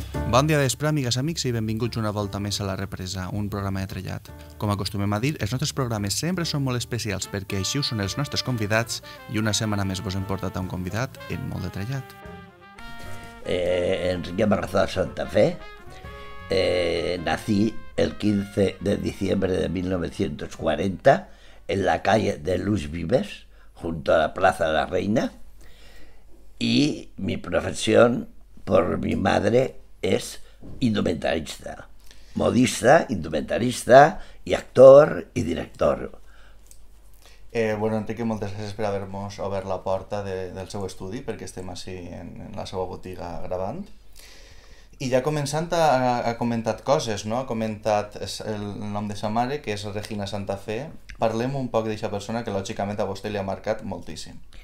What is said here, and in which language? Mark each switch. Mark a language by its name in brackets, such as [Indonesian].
[Catalan] Bon dia d'espre, amigues, amics, i benvinguts una volta més a La Represa, un programa de trellat. Com acostumem a dir, els nostres programes sempre són molt especials perquè així ho són els nostres convidats i una setmana més vos hem portat a un convidat en molt de trellat. [Spanish] Enrique Marrazada Santa Fe, nací el 15 de diciembre de 1940 en la calle de Luis Vives, junto a la Plaza de la Reina, y mi profesión por mi madre es indumentarista, modista, indumentarista y actor y director. [Catalan] Bueno, Enrique, moltes gràcies per haver-nos obert la porta del seu estudi, perquè estem així en la seva botiga gravant. I ja començant, ha comentat coses, no? Ha comentat el nom de sa mare, que és Regina Santa Fe. Parlem un poc d'aquesta persona que, lògicament, a vostè li ha marcat moltíssim.